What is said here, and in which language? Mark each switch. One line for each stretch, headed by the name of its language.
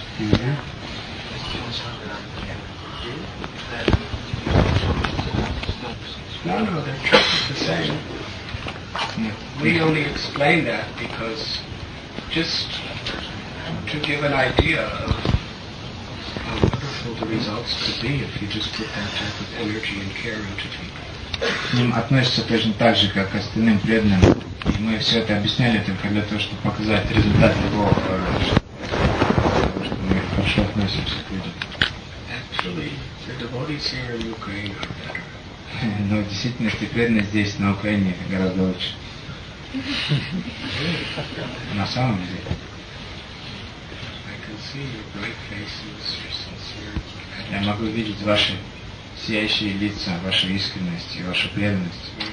English: Do you hear? Yeah. No, they're just the same. we only explain that because, just to give an idea of how wonderful the results could be if you just put that type of energy and care into people.
Russian: К ним относится точно так же, как к остальным преданным. И мы все это объясняли только для того, чтобы показать результат того, что мы хорошо относимся к людям.
English: Actually, the devotees here in Ukraine are better.
Russian: Но в действительности преданные здесь, на Украине, гораздо лучше. На самом деле.
English: I can see your bright faces, your sincerity.
Russian: Я могу видеть ваши сияющие лица, ваша искренность и ваша преданность.